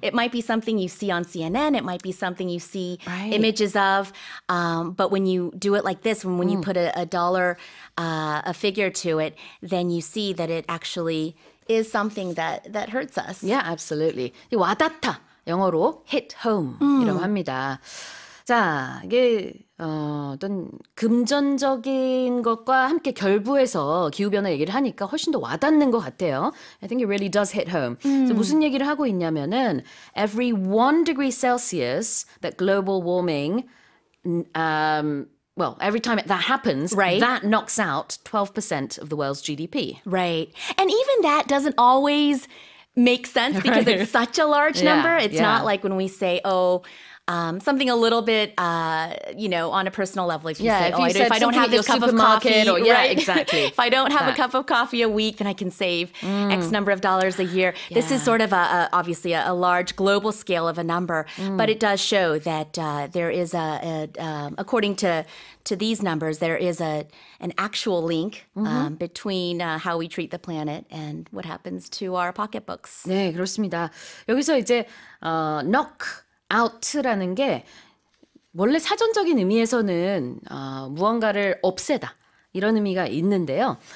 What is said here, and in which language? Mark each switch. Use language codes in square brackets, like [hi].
[en] It might be something you see on CNN. It might be something you see images of. But when you do it like this, when you put a dollar, a figure to it, then you see that it actually is something that hurts us. Yeah, absolutely. [ko] 와닿다, 영어로 hit home 이라고 합니다. 자, 이게 어떤 금전적인 것과 함께 결부해서 기후변화 얘기를 하니까 훨씬 더 와닿는 것 같아요. [en] I think it really does hit home. [ko] 그래서 무슨 얘기를 하고 있냐면은 [en] every 1 degree Celsius that global warming, every time that happens, that knocks out 12% of the world's GDP. Right. And even that doesn't always make sense because it's such a large number. It's not like when we say, something a little bit, on a personal level. If I don't have this cup of coffee, exactly. If I don't have a cup of coffee a week, then I can save X number of dollars a year. Yeah. This is sort of a large global scale of a number, but it does show that there is according to these numbers, there is an actual link between how we treat the planet and what happens to our pocketbooks. [ko] 네, 그렇습니다. 여기서 이제 knock out라는 게 원래 사전적인 의미에서는 무언가를 없애다 이런 의미가 있는데요.